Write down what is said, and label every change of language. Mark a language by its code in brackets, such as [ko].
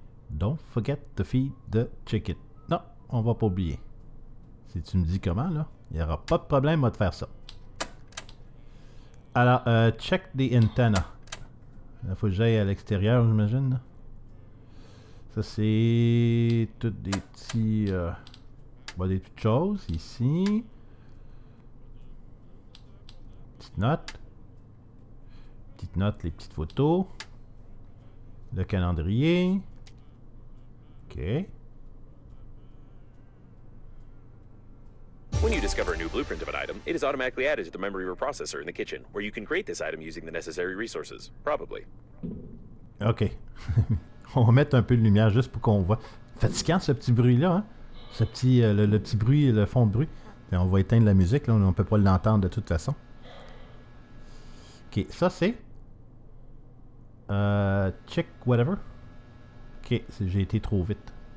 [en] Don't forget to feed the chicken. [fr] Non, on va pas oublier. Si tu me dis comment, là, il n'y aura pas de problème à te faire ça. Alors, [en] check the antenna. [fr] Il faut que j'aille à l'extérieur, j'imagine. Ça, c'est toutes des petits, des petites choses ici. Petite note, les petites photos. Le calendrier. OK. [en] When you discover a new blueprint of an item, it is automatically added to the memory or processor in the kitchen, where you can create this item using the necessary resources, probably. [fr] OK. On va mettre un peu de lumière juste pour qu'on voit. Fatiguant ce petit bruit-là, hein? Ce petit, le petit bruit, le fond de bruit. Et on va éteindre la musique, là, on ne peut pas l'entendre de toute façon. OK, ça c'est... [en] check whatever. [fr] OK, j'ai été trop vite.